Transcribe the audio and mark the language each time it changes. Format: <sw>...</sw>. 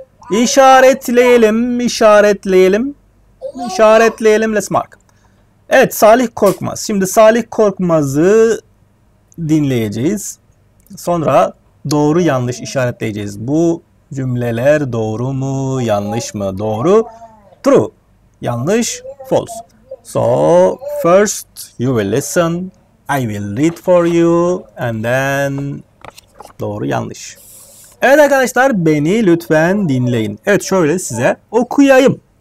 <tr>İşaretleyelim. İşaretleyelim. İşaretleyelim.</tr> <en>Let's mark.</en> <tr>Evet, Salih Korkmaz. Şimdi Salih Korkmaz'ı dinleyeceğiz. Sonra doğru yanlış işaretleyeceğiz. Bu cümleler doğru mu, yanlış mı? Doğru. True. Yanlış. False.</tr> <en>So, first you will listen. I will read for you. And then</en> <tr>doğru yanlış. Evet arkadaşlar, beni lütfen dinleyin. Evet, şöyle size okuyayım.</tr>